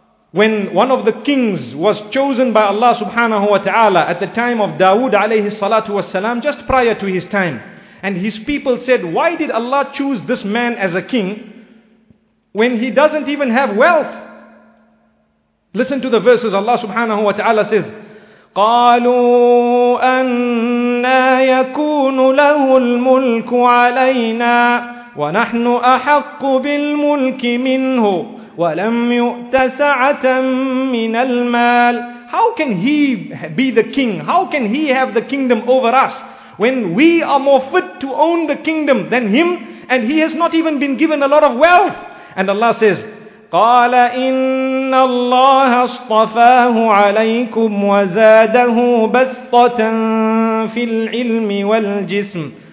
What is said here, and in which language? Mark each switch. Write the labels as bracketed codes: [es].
[en] When one of the kings was chosen by Allah subhanahu wa ta'ala at the time of Dawood alayhi salatu was salam, just prior to his time, and his people said, why did Allah choose this man as a king when he doesn't even have wealth? Listen to the verses. Allah subhanahu wa ta'ala says, [ar] قالوا أنى يكون له الملك علينا ونحن أحق بالملك منه ولم يؤت سعة من المال. [en] How can he be the king? How can he have the kingdom over us when we are more fit to own the kingdom than him? And he has not even been given a lot of wealth. And Allah says, [ar] قَالَ إِنَّ اللَّهَ اصْطَفَاهُ عَلَيْكُمْ وَزَادَهُ بَسْطَةً فِي الْعِلْمِ وَالْجِسْمِ.